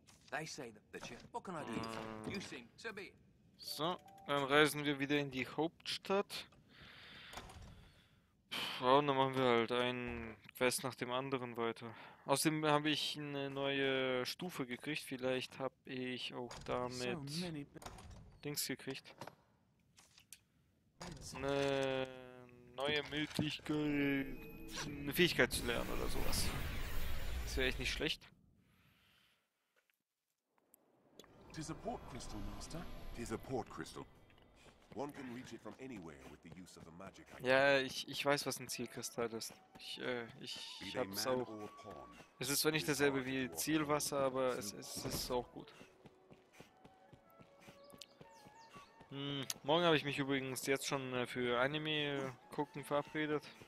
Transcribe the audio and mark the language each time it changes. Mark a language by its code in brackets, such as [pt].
[en] They say that the ship. What can I do? You seem to be. [de] So, dann reisen wir wieder in die Hauptstadt. Und dann machen wir halt einen Quest nach dem anderen weiter. Außerdem habe ich eine neue Stufe gekriegt. Vielleicht habe ich auch damit Dings gekriegt. Eine neue Möglichkeit. Eine Fähigkeit zu lernen oder sowas. Das wäre echt nicht schlecht. [en] Tis a port crystal, Master. Tis a port crystal. One can reach it from anywhere with the use of the magic. [de] Ja, ich weiß, was ein Zielkristall ist. Ich hab's auch. Es ist zwar nicht dasselbe wie Zielwasser, aber es ist auch gut. Morgen habe ich mich übrigens jetzt schon für Anime gucken verabredet.